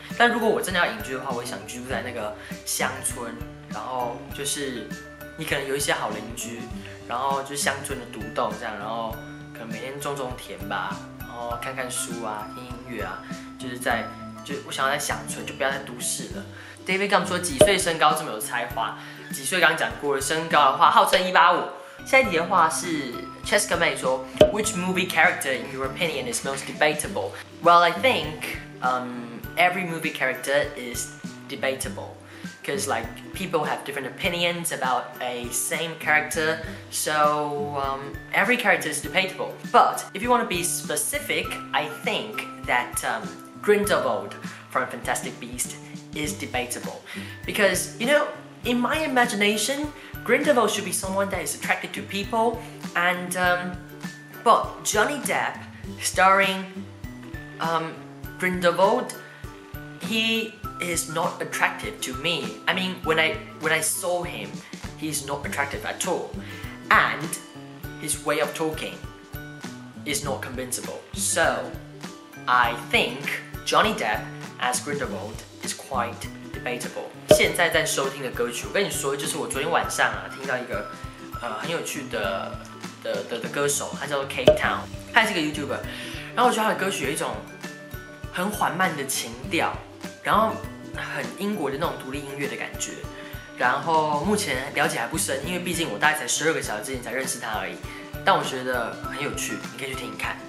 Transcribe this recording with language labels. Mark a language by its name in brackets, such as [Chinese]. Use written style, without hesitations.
[Chinese] 但如果我真的要隐居的话，我想居住在那个乡村，然后就是你可能有一些好邻居，然后就乡村的独栋这样，然后可能每天种种田吧，然后看看书啊，听音乐啊，就是在就我想要在乡村，就不要在都市了。David 刚说几岁身高这么有才华，几岁刚讲过了身高的话，号称185。下一题的话是 [English] Cheska May 说 ，Which movie character in your opinion is most debatable? Well, I think every movie character is debatable, because like people have different opinions about a same character, so every character is debatable. But if you want to be specific, I think that Grindelwald from Fantastic Beasts is debatable, because you know, in my imagination. Grindelwald should be someone that is attracted to people, and but Johnny Depp starring Grindelwald, he is not attractive to me. I mean, when I saw him, he's not attractive at all, and his way of talking is not convincible. So I think Johnny Depp as Grindelwald is quite debatable. [Chinese] 现在在收听的歌曲，我跟你说，就是我昨天晚上啊，听到一个很有趣的歌手，他叫做 Cape Town， 他是一个 YouTuber， 然后我觉得他的歌曲有一种很缓慢的情调，然后很英国的那种独立音乐的感觉，然后目前了解还不深，因为毕竟我大概才12个小时之前才认识他而已，但我觉得很有趣，你可以去听一看。